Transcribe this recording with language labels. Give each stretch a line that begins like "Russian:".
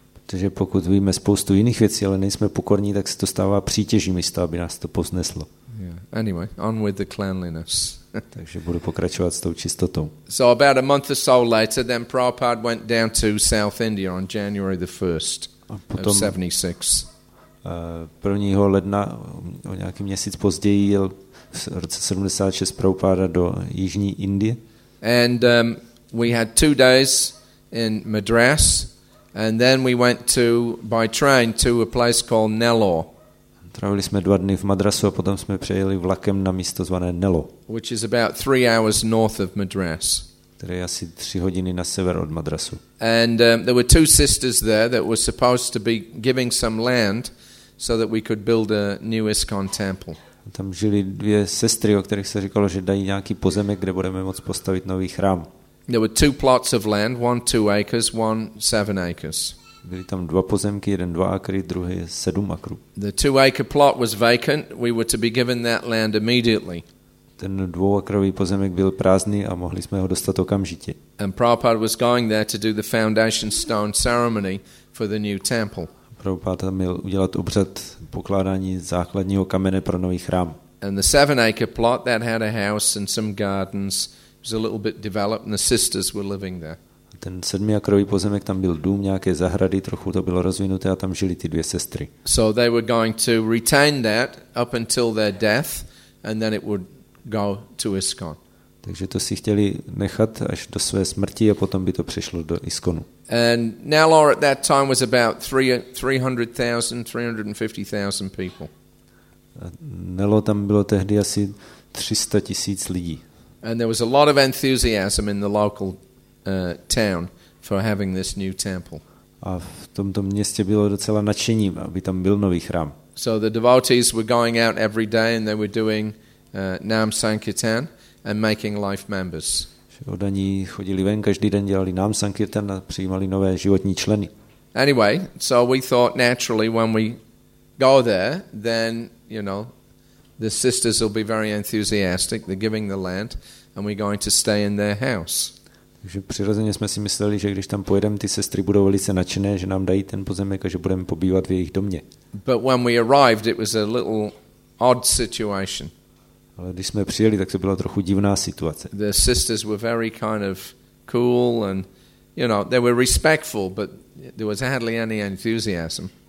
Czech: Protože pokud víme spoustu jiných věcí, ale nejsme pokorní, tak se to stává přítěží místo, aby nás to povzneslo.
English: Yeah. Anyway, on with the cleanliness.
Czech: Takže budu pokračovat s tou čistotou.
English: So about a month or so later, then Prabhupada went down to South India on January the 1st of 76.
Czech: 1. ledna, o nějaký měsíc později, jel v roce 76 Prabhupada do Jižní Indie.
English: And we had 2 days in Madras. And then we went to by train to a place called Nellore.
Czech: Trávili jsme 2 dny v Madrasu a potom jsme přejeli vlakem na místo zvané Nellore.
English: Which is about 3 hours north of Madras.
Czech: Které je asi 3 hodiny na sever od Madrasu.
English: And there were 2 sisters there that were supposed to be giving some land so that we could build a new ISKCON temple.
Czech: Tam žili 2 sestry, o kterých se říkalo, že dají nějaký pozemek, kde budeme moct postavit nový chrám.
English: There were 2 plots of land, 1 2 acres, 1 7 acres.
Czech: Byly tam 2 pozemky, 1 2 akry, 2 7 akrů.
English: The 2-acre plot was vacant. We were to be given that land immediately.
Czech: Ten 2-akrový pozemek byl prázdný a mohli jsme ho dostat okamžitě.
English: And Prabhupada was going there to do the foundation stone ceremony for the new temple.
Czech: Prabhupada měl udělat obřad pokládání základního kamene pro nový chrám.
English: And the 7-acre plot that had a house and some gardens. It was a little bit developed and the sisters were living there.
Czech: Ten 7-akrový pozemek, tam byl dům, nějaké zahrady, trochu to bylo rozvinuté a tam žili ty 2 sestry.
English: So they were going to retain that up until their death and then it would go to ISKCON.
Czech: Takže to si chtěli nechat až do své smrti a potom by to přešlo do ISKCONu.
English: And Nellore at that time was about 300,000-350,000 people.
Czech: Nellore tam bylo tehdy asi 300 tisíc lidí.
English: And there was a lot of enthusiasm in the local town for having this new temple.
Czech: A v tomto městě bylo docela nadšení, aby tam byl nový chrám.
English: So the devotees were going out every day and they were doing Nam Sankirtan and making life members.
Czech: Oni chodili ven každý den, dělali Nam Sankirtan a přijímali nové životní členy.
English: Anyway, so we thought naturally when we go there, then, you know, the sisters will be very enthusiastic. They're giving the land and we're going to stay in their house.
Czech: Takže přirozeně jsme si mysleli, že když tam pojedeme, ty sestry budou velice nadšené, že nám dají ten pozemek a že budeme pobývat v jejich domě.
English: But when we arrived, it was a little odd situation.
Czech: Ale když jsme přijeli, tak to byla trochu divná situace.
English: The sisters were very kind of cool and, you know, they were respectful, but there was hardly any enthusiasm.